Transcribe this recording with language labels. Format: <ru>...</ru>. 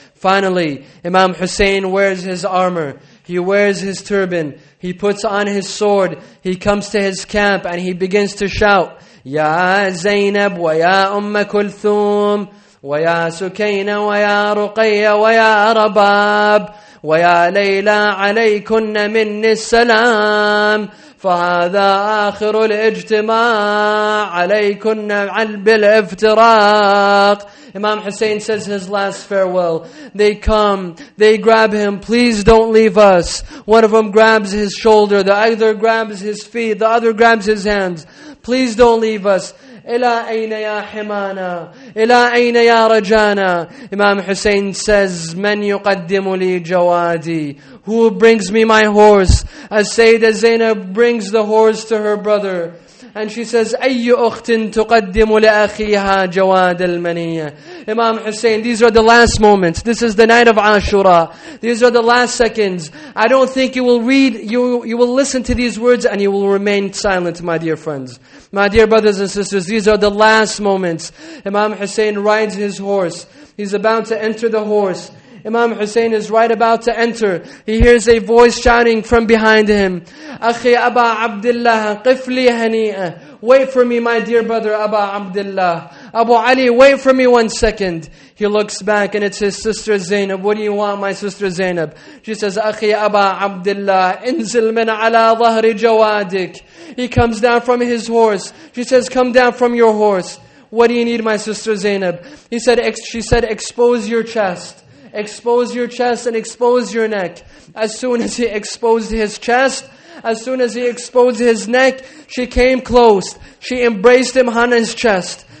<en>Finally, Imam Hussein wears his armor, he wears his turban, he puts on his sword, he comes to his camp, and he begins to shout, Ya Zainab wa ya Umm Kulthum, wa ya Sukaina wa ya Ruqayya wa ya Rabab,</en> <ar>ويا ليلى عليكن من السلام فهذا آخر الاجتماع عليكن علب الافتراق.</ar> <en>Imam Hussein says his last farewell. They come. They grab him. Please don't leave us. One of them grabs his shoulder. The other grabs his feet. The other grabs his hands. Please don't leave us.</en> <ar>إلى أين يا حمانا؟ إلى أين يا رجانا؟</ar> <en>Imam Hussein says,</en> <ar>من يقدم لي جوادي؟</ar> <en>Who brings me my horse? As Sayyida Zainab brings the horse to her brother. And she says,</en> <ar>أي أخت تقدم لأخيها جواد المنية؟</ar> <en>Imam Hussein, these are the last moments. This is the night of Ashura. These are the last seconds. I don't think you will read, you will listen to these words and you will remain silent, my dear friends. My dear brothers and sisters, these are the last moments. Imam Hussein rides his horse. He's about to enter the horse. Imam Hussein is right about to enter. He hears a voice shouting from behind him.</en> <ar>أخي أبا عبد الله قف لي هنيئة.</ar> <en>Wait for me, my dear brother Abu Abdullah. Abu Ali, wait for me 1 second. He looks back and it's his sister Zainab. What do you want, my sister Zainab? She says,</en> <ar>أخي أبا عبد الله انزل من على ظهر جوادك.</ar> <en>He comes down from his horse. She says, come down from your horse. What do you need, my sister Zainab? She said, expose your chest. Expose your chest and expose your neck. As soon as he exposed his chest, as soon as he exposed his neck, she came close. She embraced him on his chest.</en>